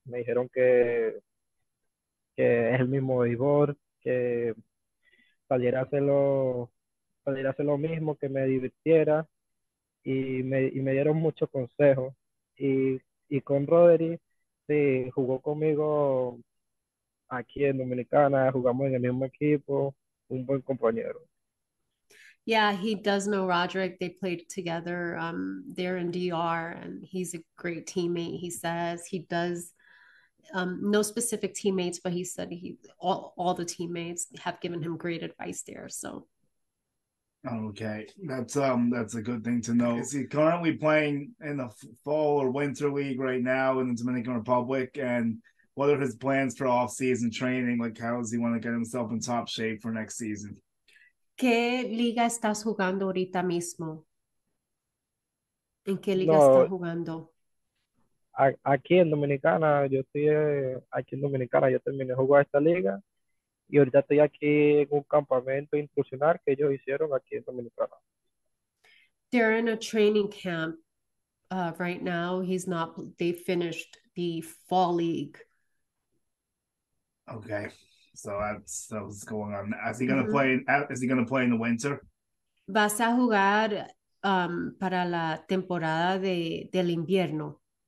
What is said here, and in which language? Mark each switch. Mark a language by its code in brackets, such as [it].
[es] Me dijeron que es el mismo Ivor, que saliera a hacer lo mismo, que me divirtiera y me dieron muchos consejos. Y con Rodri, sí, jugó conmigo aquí en Dominicana, jugamos en el mismo equipo, un buen compañero. [en] Yeah, he does know Roderick. They played together there in DR, and he's a great teammate, he says. He does no specific teammates, but he said all the teammates have given him great advice there. So, okay, that's a good thing to know. Is he currently playing in the fall or winter league right now in the Dominican Republic? And what are his plans for off-season training? Like, how does he want to get himself in top shape for next season? [es] ¿Qué liga estás jugando ahorita mismo? ¿En qué liga no, estás jugando? Aquí en Dominicana, yo estoy aquí en Dominicana, yo terminé jugando esta liga y ahorita estoy aquí en un campamento institucional que ellos hicieron aquí en Dominicana. [en] They're in a training camp right now. He's not, they finished the fall league. Okay. So that's going on. Is he going to play in the winter? [es] Vas a jugar para la temporada del invierno.